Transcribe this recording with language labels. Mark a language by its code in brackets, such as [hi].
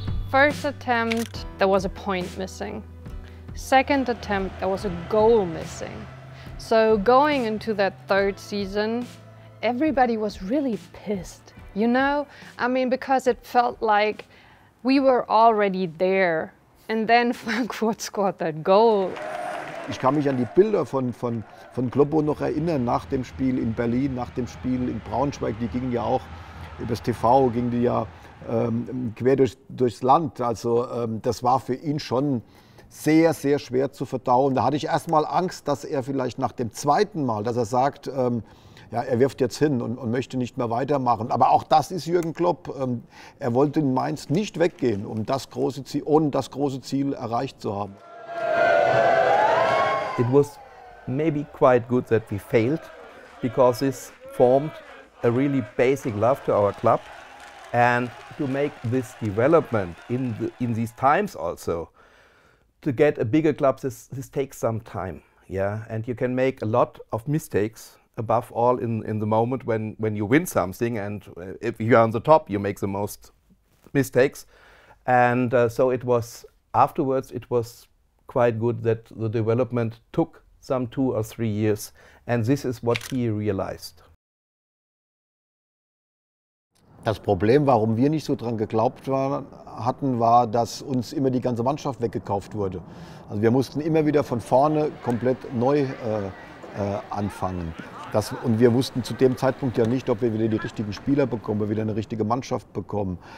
[en] First attempt, there was a point missing. Second attempt, there was a goal missing. So going into that third season, everybody was really pissed, you know? I mean, because it felt like we were already there and then Frankfurt scored that goal. [de] Ich kann mich an die Bilder von Kloppo noch erinnern, nach dem Spiel in Berlin, nach dem Spiel in Braunschweig, die gingen ja auch übers TV, gingen die ja quer durchs Land. Also das war für ihn schon sehr, sehr schwer zu verdauen. Da hatte ich erstmal Angst, dass er vielleicht nach dem zweiten Mal, dass er sagt, ja, er wirft jetzt hin und möchte nicht mehr weitermachen. Aber auch das ist Jürgen Klopp. Er wollte in Mainz nicht weggehen, um das große Ziel, ohne das große Ziel erreicht zu haben. [en] It was maybe quite good that we failed, because this formed a really basic love to our club. And to make this development in these times also, to get a bigger club, this takes some time, yeah? And you can make a lot of mistakes, above all in the moment when you win something, and if you are on the top, you make the most mistakes. And so it was, afterwards, it was quite good that the development took some 2 or 3 years, and this is what he realized. [de] Das Problem, warum wir nicht so dran geglaubt hatten, war, dass uns immer die ganze Mannschaft weggekauft wurde. Also wir mussten immer wieder von vorne komplett neu anfangen. Und wir wussten zu dem Zeitpunkt ja nicht, ob wir wieder die richtigen Spieler bekommen, ob wir wieder eine richtige Mannschaft bekommen.